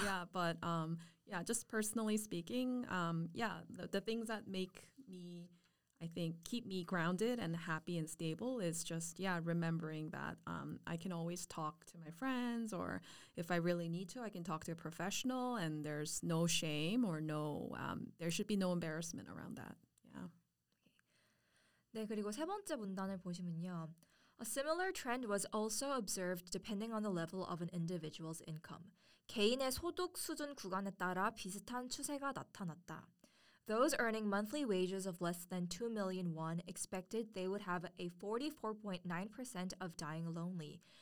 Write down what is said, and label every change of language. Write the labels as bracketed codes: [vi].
[en] Yeah, but just personally speaking, the things that make me, I think, keep me grounded and happy and stable is just, remembering that I can always talk to my friends, or if I really need to, I can talk to a professional, and there's no shame or no, there should be no embarrassment around that. Yeah. [ko] 네, 그리고 세 번째 문단을 보시면요. [en] A similar trend was also observed depending on the level of an individual's income. [ko] 개인의 소득 수준 구간에 따라 비슷한 추세가 나타났다. [en] Those earning monthly wages of less than 2 million won expected they would have a 44.9% of dying lonely.